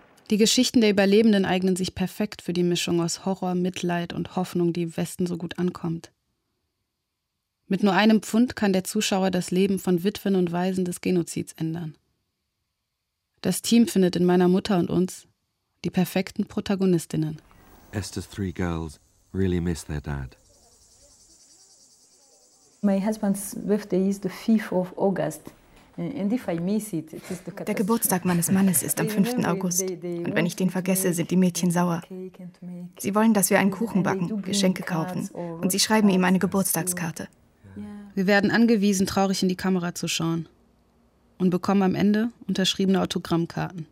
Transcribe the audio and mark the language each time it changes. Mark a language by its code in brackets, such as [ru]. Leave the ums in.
[de] die Geschichten der Überlebenden eignen sich perfekt für die Mischung aus Horror, Mitleid und Hoffnung, die im Westen so gut ankommt. Mit nur einem Pfund kann der Zuschauer das Leben von Witwen und Waisen des Genozids ändern. Das Team findet in meiner Mutter und uns die perfekten Protagonistinnen. [en] Esther's three girls really miss their dad. My husband's birthday is the 5 of August. [de] Der Geburtstag meines Mannes ist am 5. August. Und wenn ich den vergesse, sind die Mädchen sauer. Sie wollen, dass wir einen Kuchen backen, Geschenke kaufen. Und sie schreiben ihm eine Geburtstagskarte. Wir werden angewiesen, traurig in die Kamera zu schauen. Und bekommen am Ende unterschriebene Autogrammkarten.